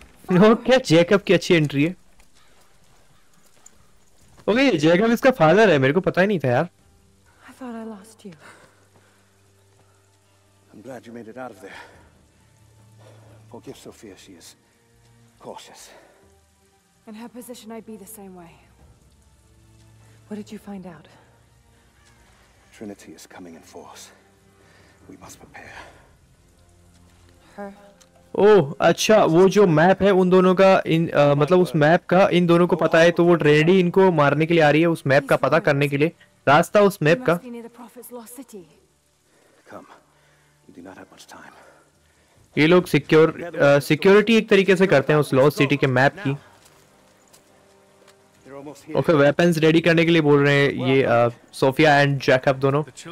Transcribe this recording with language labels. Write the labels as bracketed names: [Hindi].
[Hindi] No, क्या Jacob की अच्छी एंट्री है? ओके, जैकब इसका फादर है, मेरे को पता ही नहीं था यार। [English] I thought I lost you. I'm glad you made it out of there. Forgive Sophia, she is cautious. In her position, I'd be the same way. What did you find out? Trinity is coming in force. We must prepare. Her? [Hindi] ओह अच्छा, वो जो map है उन दोनों का, इन मतलब उस map का इन दोनों को पता है, तो वो रेडी इनको मारने के लिए आ रही है। उस मैप का पता करने के लिए रास्ता, उस मैप का। [English] Come, you do not have much time. [Hindi] ये लोग सिक्योरिटी एक तरीके से करते हैं उस लॉस्ट सिटी के मैप की। ओके, वेपन्स रेडी करने के लिए बोल रहे हैं ये सोफिया एंड जैकब दोनों।